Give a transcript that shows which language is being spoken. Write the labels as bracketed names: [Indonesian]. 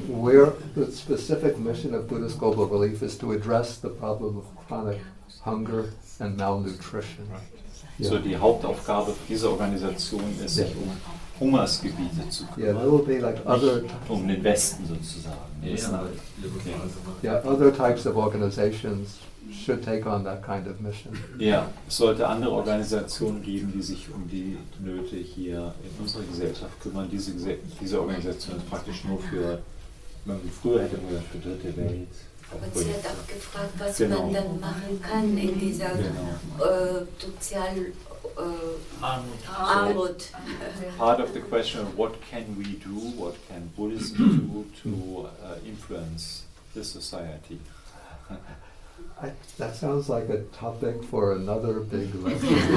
[English] We're, the specific mission of Buddhist Global Relief is to address the problem of chronic hunger and malnutrition. Right. Yeah. So the Hauptaufgabe of this organization is sich um Hungersgebiete zu kümmern. Yeah, there will be like other [German] den Westen sozusagen. [English] Yeah, other types of organizations should take on that kind of mission. [German] Ja, es sollte andere Organisationen geben, die sich um die Nöte hier in unserer Gesellschaft kümmern. Diese Organisation ist praktisch nur für, wenn man früher hätte man gesagt, für dritte Welt. Aber sie hat auch gefragt, was man dann machen kann in dieser Armut. [English] Part of the question, what can we do, what can Buddhism do to influence the society? That sounds like a topic for another big lesson.